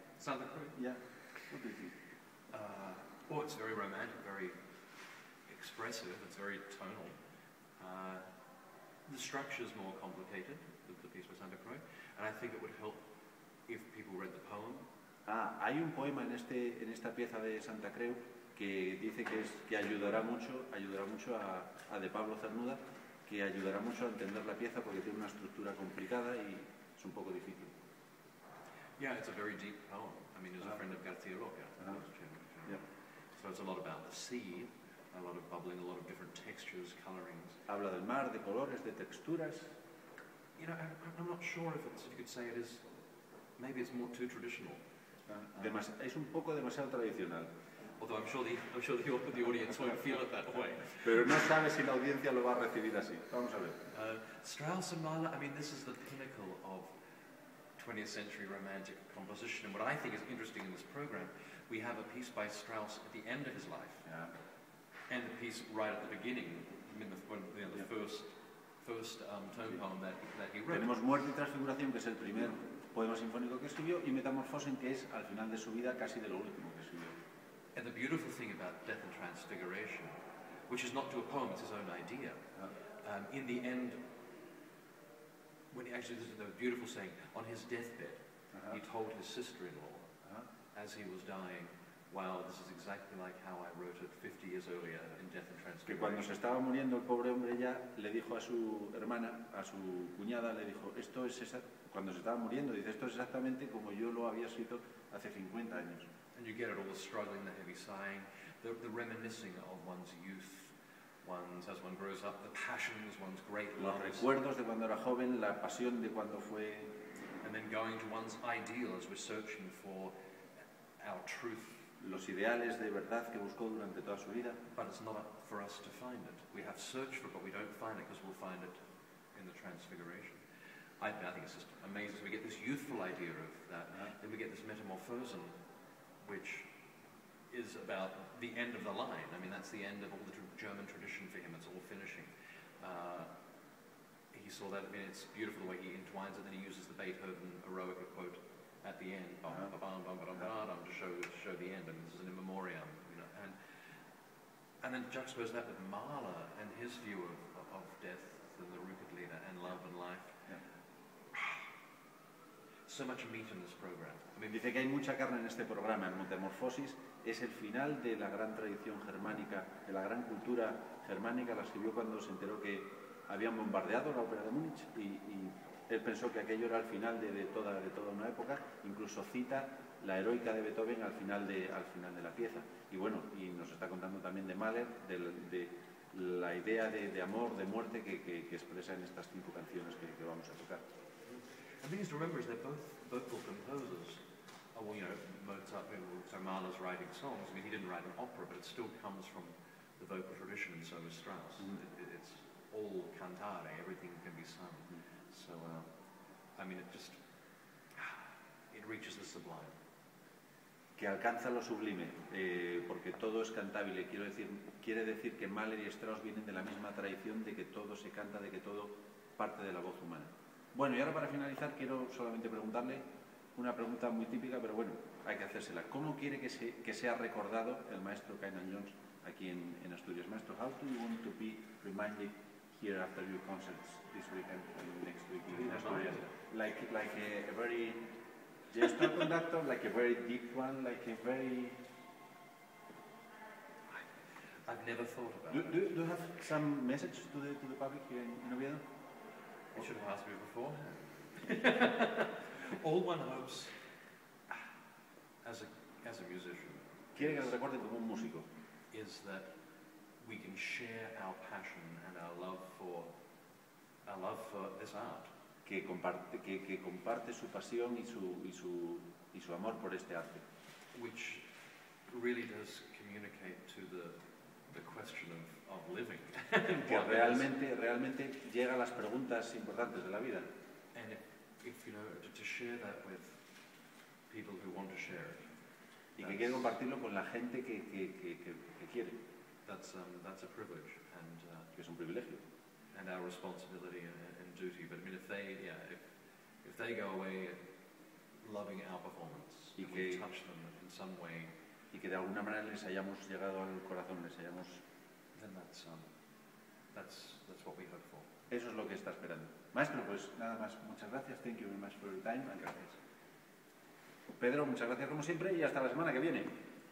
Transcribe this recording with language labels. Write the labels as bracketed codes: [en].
[en] Santa Cruz. Yeah. What do you think? Oh, it's very romantic, very expressive, it's very tonal. The structure is more complicated, the piece by Santa Croix, and I think it would help if people read the poem. [es] Ah, hay un poema en esta pieza de Santa Croix que dice que es que ayudará mucho a de Pablo Cernuda, que ayudará mucho a entender la pieza porque tiene una estructura complicada y es un poco difícil. [en] Yeah, it's a very deep poem. I mean, it's a friend of García Lorca. Yeah. So it's a lot about the sea, a lot of bubbling, a lot of different textures, colorings. [es] Habla del mar, de colores, de texturas. [en] You know, I'm not sure if it's, you could say it is, maybe it's more too traditional. [es] Es un poco demasiado tradicional. [en] Although I'm sure the audience won't feel it that way. [es] Pero no sabe si la audiencia lo va a recibir así. Vamos a ver. [en] Strauss and Mahler, I mean, this is the pinnacle of 20th century romantic composition. And what I think is interesting in this program, we have a piece by Strauss at the end of his life. Yeah. And the piece right at the beginning, the first tone poem that he wrote. [es] Tenemos Muerte y Transfiguración, que es el primer poema sinfónico que escribió, y Metamorfosen, que es al final de su vida, casi de lo último que escribió. [en] And the beautiful thing about Death and Transfiguration, which is not to a poem, it's his own idea. In the end, when he actually, this is a beautiful saying, on his deathbed, he told his sister-in-law, as he was dying, wow, this is exactly like how I wrote it 50 years earlier in Death and Transfiguration. [es] Que cuando se estaba muriendo el pobre hombre ya le dijo a su hermana, a su cuñada, le dijo, esto es esa, cuando se estaba muriendo, dice, esto es exactamente como yo lo había escrito hace 50 años. [en] And you get it, all the struggling, the heavy sighing, the reminiscing of one's youth, one's, as one grows up, the passions, one's great loves. [es] Los recuerdos de cuando era joven, la pasión de cuando fue... [en] And then going to one's ideal as we're searching for our truth. [es] Los ideales de verdad que buscó durante toda su vida. [en] But it's not for us to find it. We have searched for it, but we don't find it because we'll find it in the Transfiguration. I think it's just amazing. So we get this youthful idea of that. Then we get this Metamorphosen, which is about the end of the line. I mean, that's the end of all the German tradition for him. It's all finishing. He saw that. I mean, it's beautiful the way he entwines it. Then he uses the Beethoven eroica quote at the end, to show the end, and this is an in memoriam, you know, and then juxtapose that with Mahler and his view of death and the Rückenlied and love and life. Yeah. So much meat in this program. I mean, [es] dice que hay mucha carne en este programa. En Metamorfosis es el final de la gran tradición germánica, de la gran cultura germánica. La escribió cuando se enteró que habían bombardeado la ópera de Múnich y él pensó que aquello era el final de toda una época, incluso cita la heroica de Beethoven al final de la pieza. Y bueno, y nos está contando también de Mahler, de la idea de amor, de muerte que expresa en estas cinco canciones que vamos a tocar. [en] And things to remember is that both vocal composers, well, you know, Mozart, so Mahler's writing songs. I mean, he didn't write an opera, but it still comes from the vocal tradition, and so is Strauss. It's all cantare, everything can be sung. So, I mean, it reaches the sublime. [es] Que alcanza lo sublime, porque todo es cantable. Quiere decir que Mahler y Strauss vienen de la misma tradición de que todo se canta, de que todo parte de la voz humana. Bueno, y ahora para finalizar quiero solamente preguntarle una pregunta muy típica, pero bueno, hay que hacérsela. ¿Cómo quiere que sea recordado el maestro Kynan Jones aquí en Asturias? [en] Maestro, how do you want to be reminded here after your concerts this weekend and next week in Asturias? Like a very just a conductor, like a very deep one, like a very... I've never thought about it. Do you have some message to the public here in Oviedo? You should have asked me before. All one hopes, as a musician, [es] quiere que lo recuerde como un músico, [en] is that we can share our passion and our love for this art. [es] Que comparte su pasión y su amor por este arte. [en] Which really does communicate to the question of living. [es] Que realmente llega a las preguntas importantes de la vida. [en] And if you know, to share that with people who want to share it. [es] Y que quiere compartirlo con la gente que quiere. [en] That's a privilege. And, [es] que es un privilegio. [en] And our responsibility and duty. But I mean, if they go away loving our performance, [es] y [en] and [es] que, [en] we touch them in some way, [es] y que de alguna manera les hayamos llegado al corazón, les hayamos... [en] Then that's what we hope for. [es] Eso es lo que está esperando. Maestro, pues nada más. Muchas gracias. [en] Thank you very much for your time. [es] Gracias. Pedro, muchas gracias como siempre y hasta la semana que viene.